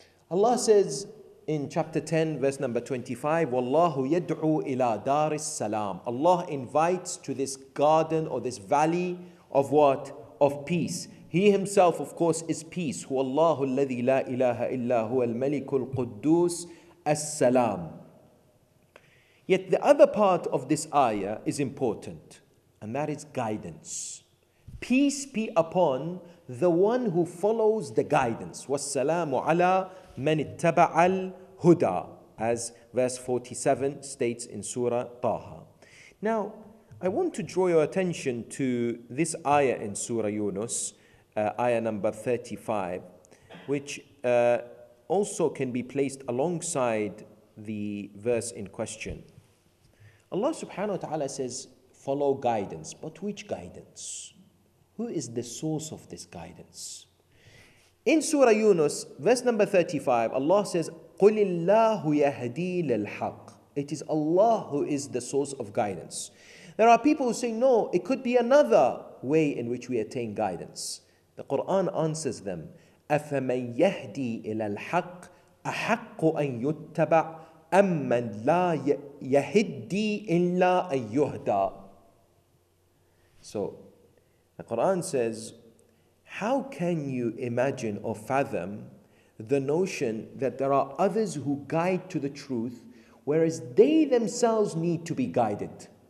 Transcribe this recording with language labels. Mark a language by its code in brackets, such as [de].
[en] Allah says in chapter 10, verse number 25, [ar] وَاللَّهُ يَدْعُو إِلَىٰ دَارِ السَّلَامِ. [en] Allah invites to this garden or this valley of what? Of peace. He Himself, of course, is peace. [ar] هو الله الذي لا إله إلا هو الملك القدوس السلام. [en] Yet the other part of this ayah is important, and that is guidance. Peace be upon the one who follows the guidance. [ar] وَالسَّلَامُ عَلَىٰ مَنِ اتَّبَعَ الْهُدَىٰ, [en] as verse 47 states in Surah Taha. Now, I want to draw your attention to this ayah in Surah Yunus, ayah number 35, which also can be placed alongside the verse in question. Allah subhanahu wa ta'ala says, follow guidance. But which guidance? Who is the source of this guidance? In Surah Yunus, verse number 35, Allah says, [ar] قُلِ اللَّهُ يَهَدِي لِلْحَقِّ. [en] It is Allah who is the source of guidance. There are people who say, no, it could be another way in which we attain guidance. The Quran answers them, [ar] أَفَمَنْ يَهْدِي إِلَى الْحَقِّ أَحَقُّ أَنْ يُتَّبَعْ أَمَّنْ لَا يَهِدِّي إِلَّا أَنْ يُهْدَى. [en] So, the Quran says, how can you imagine or fathom the notion that there are others who guide to the truth, whereas they themselves need to be guided?